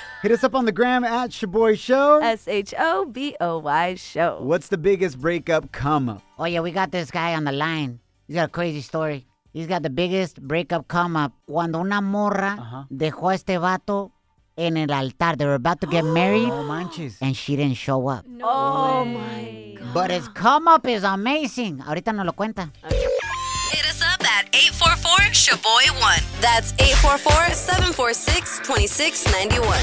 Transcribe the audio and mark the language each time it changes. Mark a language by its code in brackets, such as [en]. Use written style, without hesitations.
[en] Hit us up on the gram at Shaboy Show. S-H-O-B-O-Y Show. What's the biggest breakup come up? Oh, yeah, we got this guy on the line. He's got a crazy story. He's got the biggest breakup come up. [es] Cuando una morra dejó a este vato en el altar. [en] They were about to get married. [es] Oh, manches. [en] And she didn't show up. No. Oh, my God. But his come up is amazing. [es] Ahorita nos lo cuenta. [en] Hit us up at 844-SHABOY1. That's 844-746-2691.